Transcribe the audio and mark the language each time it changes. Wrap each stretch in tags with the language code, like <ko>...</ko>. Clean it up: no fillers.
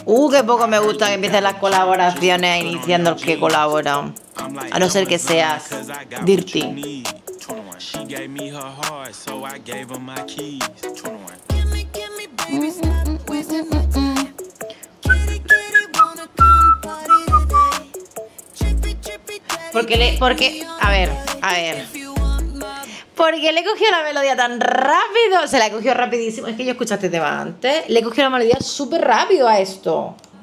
<es>Qué poco me gusta que empiecen las colaboraciones iniciando el que colabora. A no ser que seas Dirty.</es> <en>She gave me her heart, so I gave her my keys. 21. Gimme, baby, stop wasting my time. Kitty, kitty, wanna come party today. Chippy, chippy, daddy, give me all your time.</en> <es>porque le he cogido la melodía tan rápido. Se la he cogido rapidísimo. Es que yo escuchaste este tema antes. Le he cogido la melodía súper rápido a esto.</es>